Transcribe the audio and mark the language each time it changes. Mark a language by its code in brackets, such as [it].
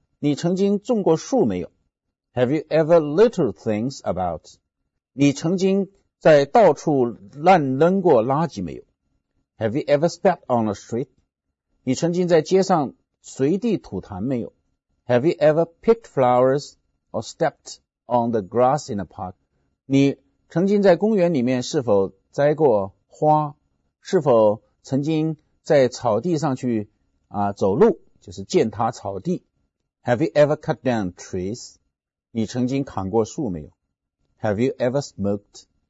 [zh] 你曾经种过树没有？ [en] Have you ever littered things about? [zh] 你曾经在到处乱扔过垃圾没有？ [en] Have you ever spat on the street? [zh] 你曾经在街上随地吐痰没有？ [en] Have you ever picked flowers? Or stepped on the grass in a park. [zh] 你曾经在公园里面是否栽过花？是否曾经在草地上去走路，就是践踏草地？ [en] Have you ever cut down trees? [zh] 你曾经砍过树没有？ [en] Have you ever smoked?